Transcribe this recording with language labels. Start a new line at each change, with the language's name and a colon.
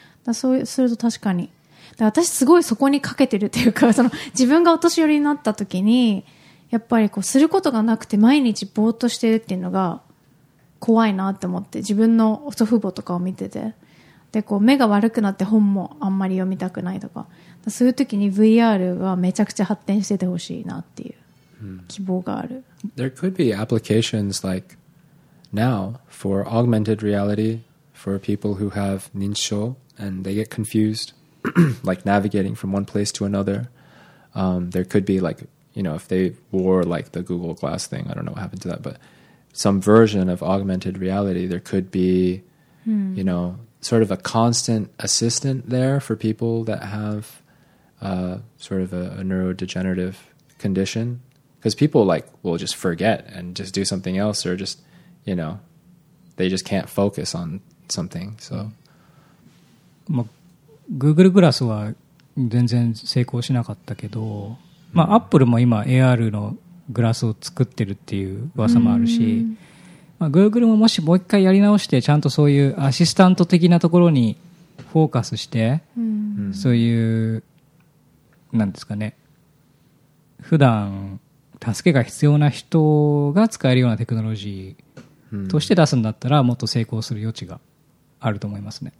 Japanese: だそうすると確かに、だから私すごいそこにかけてるっていうか、その自分がお年寄りになった時にやっぱりこうすることがなくて毎日ぼーっとしてるっていうのが怖いなって思って、自分の祖父母とかを見てて、でこう目が悪くなって本もあんまり読みたくないとか、そういう時に VR はめちゃくちゃ発展しててほしいなっていう希望がある。
English: There could be applications like now for augmented reality for people who have 認知症 and they get confused, like navigating from one place to another. There could be like, you know, if they wore like the Google Glass thing, I don't know what happened to that, but some version of augmented reality, there could be, you know, sort of a constant assistant there for people that have sort of a neurodegenerative condition. Because people like will just forget and just do something else, or just, you know, they just can't focus on something. So,
Japanese: Google Glass は全然成功しなかったけど、まあ Apple も今 AR のグラスを作ってるっていう噂もあるし、まあ Google ももしもう一回やり直してちゃんとそういうアシスタント的なところにフォーカスして、そういうなんですかね、普段助けが必要な人が使えるようなテクノロジーとして出すんだったら、もっと成功する余地があると思いますね。